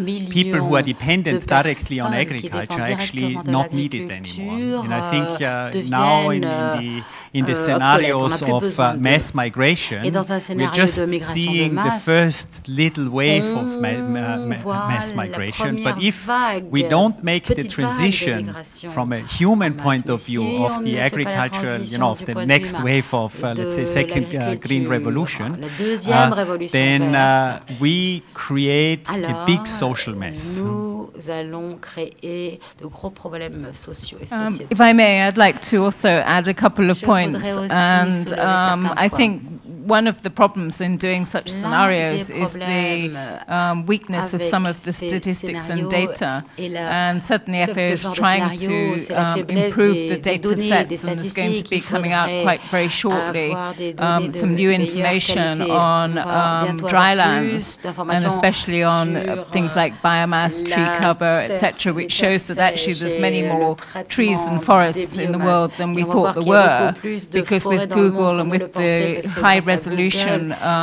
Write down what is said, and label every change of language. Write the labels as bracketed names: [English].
[English] people who are dependent directly on agriculture are actually not needed anymore. And I think now in the scenarios of mass migration, we're just seeing the first little wave of mass migration. But if we don't make the transition from a human point of view of the agricultural, you know, of the next wave of, let's say, second green revolution, then we create a big social mess. [French] Nous allons créer de gros problèmes sociaux et sociétaux. [English] If I may, I'd like to also add a couple of points. And I think one of the problems in doing such scenarios is the weakness of some of the statistics and data. And certainly FAO is trying to improve the data sets, and it's going to be coming out quite very shortly, some new information on drylands, and especially on things like biomass, tree cover, etc., which shows that actually there's many more trees and forests in the world than we thought there were, because with Google and with the high resolution